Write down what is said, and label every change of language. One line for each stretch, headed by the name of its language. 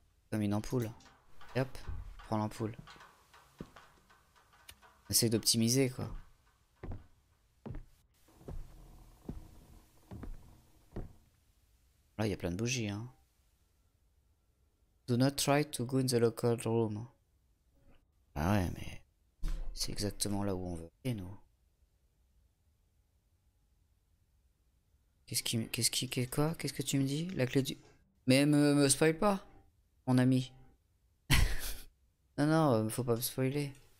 French: Comme une ampoule. Et hop, prends l'ampoule. Essaye d'optimiser, quoi. Il y a plein de bougies, hein.
English: Do not try to go in the local room.
French: Ah ouais, mais c'est exactement là où on veut aller, nous. Qu'est-ce que tu me dis? La clé du. Mais me spoil pas, mon ami. Non, faut pas me spoiler.